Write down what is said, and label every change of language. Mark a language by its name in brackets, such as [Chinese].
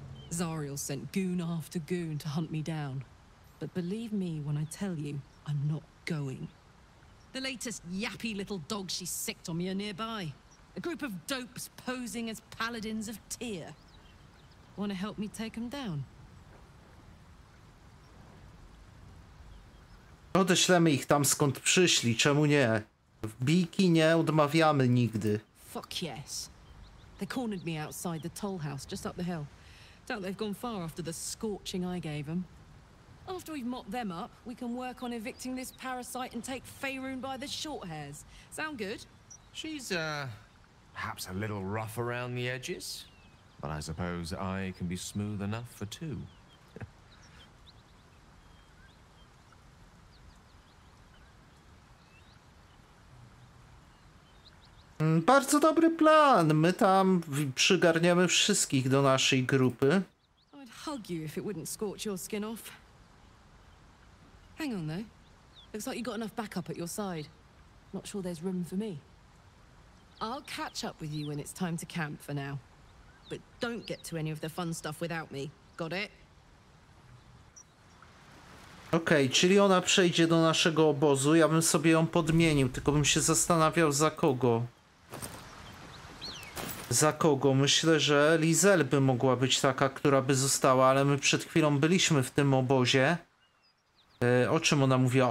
[English] Zariel sent goon after goon to hunt me down. But believe me when I tell you, I'm not going. The latest yappy little dog she sicked on me are nearby. A group of dopes posing as paladins of Tyr. Wanna help me take them down? [Polish] Odeślemy ich tam skąd przyszli, czemu nie? W bijki nie odmawiamy nigdy. [English] Fuck yes. They cornered me outside the toll house just up the hill. Doubt they've gone far after the scorching I gave them. After we've mopped them up, we can work on evicting this parasite and take Faerun by the short hairs. Sound good? She's, perhaps a little rough around the edges. But I suppose I can be smooth enough for two. [Polish] Bardzo dobry plan. My tam przygarniemy wszystkich do naszej grupy. [English] I'd hug you if it wouldn't scorch your skin off. Hang on though. Looks like you got enough backup at your side. Not sure there's room for me. I'll catch up with you when it's time to camp for now. But don't get to any of the fun stuff without me. Got it? [Polish] Okej, okay, czyli ona przejdzie do naszego obozu. Ja bym sobie ją podmienił, tylko bym się zastanawiał za kogo. Za kogo? Myślę, że Lizel by mogła być taka, która by została, ale my przed chwilą byliśmy w tym obozie. O czym ona mówiła?